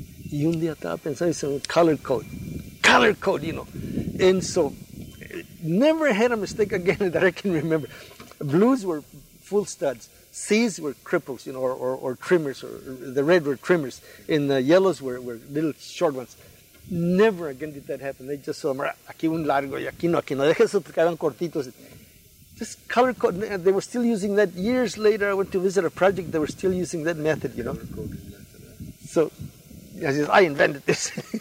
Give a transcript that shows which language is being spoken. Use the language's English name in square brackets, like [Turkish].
[Spanish] Y un día estaba pensando, [English] it's a color code, you know. And so, never had a mistake again that I can remember. Blues were full studs. C's were cripples, you know, or trimmers, or the red were trimmers, and the yellows were little short ones. Never again did that happen. They just saw them, [Spanish] aquí un largo y aquí no, aquí no. Deja esos que quedan cortitos. [English] Just color code. They were still using that. Years later, I went to visit a project. They were still using that method, you know. So I said, I invented this.